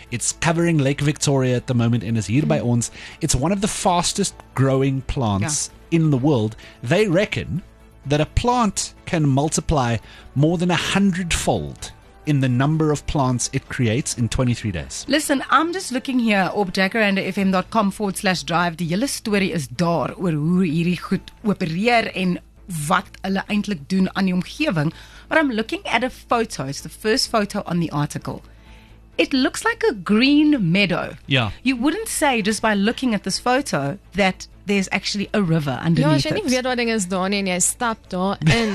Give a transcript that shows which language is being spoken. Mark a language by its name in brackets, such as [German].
[English] It's covering Lake Victoria at the moment and is here by ons. It's one of the fastest growing plants in the world. They reckon that a plant can multiply more than 100-fold in the number of plants it creates in 23 days. Listen, I'm just looking here op jacarandafm.com/drive. [Afrikaans] Die hele story is daar oor hoe hierdie goed opereer en wat hulle eintlik doen aan die omgewing. [English] But I'm looking at a photo. It's the first photo on the article. It looks like a green meadow. Yeah. You wouldn't say just by looking at this photo that there's actually a river underneath it. [Afrikaans] Ja, jy nie weet wat ding is daar nie en jy stap daar in.